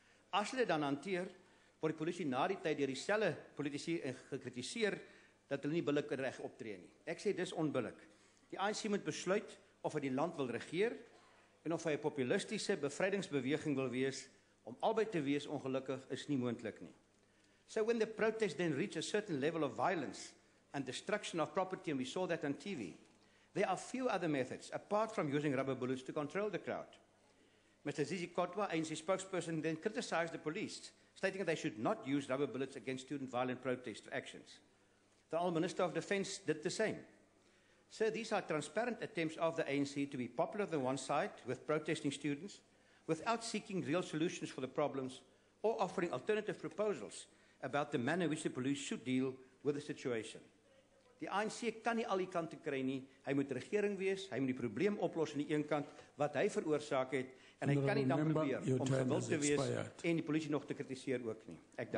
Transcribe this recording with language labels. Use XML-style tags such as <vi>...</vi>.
<af>As hulle dan hanteer, word die polisie na die tyd deur dieselfde politici gekritiseer dat hulle nie billik reg optree nie. Ek sê dis onbillik. Die ANC moet besluit of hy die land wil regeer en of hy 'n populistiese bevrydingsbeweging wil wees. Om albei te wees ongelukkig is nie moontlik nie.</af> <en>So when the protest then reach a certain level of violence and destruction of property, and we saw that on TV, there are few other methods apart from using rubber bullets to control the crowd. Mr. Zizi Kotwa, ANC spokesperson, then criticized the police, stating that they should not use rubber bullets against student violent protest actions. The old Minister of Defense did the same. So these are transparent attempts of the ANC to be popular on one side with protesting students, without seeking real solutions for the problems or offering alternative proposals about the manner in which the police should deal with the situation.</en> <af>Die ANC kan nie al die kante kry nie. Hy moet regering wees, hy moet die probleem oplos aan die een kant wat hy veroorsaak het en hy kan nie dan probeer om gewild te wees en die polisie nog te kritiseer ook nie. Ek</af>